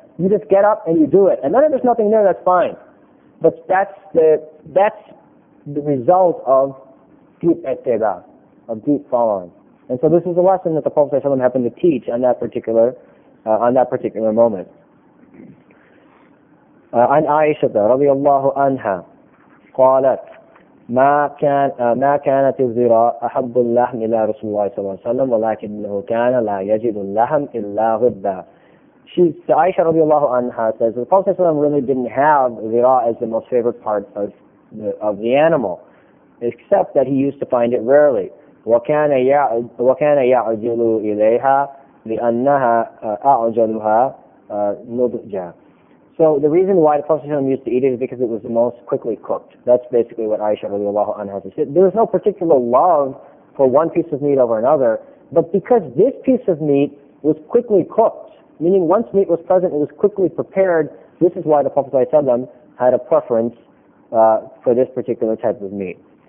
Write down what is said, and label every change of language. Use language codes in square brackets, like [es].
[en] You just get up and you do it. And then if there's nothing there, that's fine. But that's the result of deep ittiba, of deep following. And so this is a lesson that the Prophet ﷺ happened to teach on that particular moment. [ar] An Aisha radiallahu anha قالت ما كانت الذراء أحب اللحم إلى رسول الله صلى الله عليه وسلم ولكنه كان لا يجد اللحم إلا غدا. [en] Aisha رضي الله عنها says the Prophet ﷺ really didn't have ذراء as the most favorite part of the animal, except that he used to find it rarely. [ar] وكان يعجل إليها لأنها أعجلها نضجا. [en] So the reason why the Prophet ﷺ used to eat it is because it was the most quickly cooked. That's basically what Aisha radiallahu anha has to say. There was no particular love for one piece of meat over another, but because this piece of meat was quickly cooked, meaning once meat was present, it was quickly prepared, this is why the Prophet ﷺ had a preference for this particular type of meat.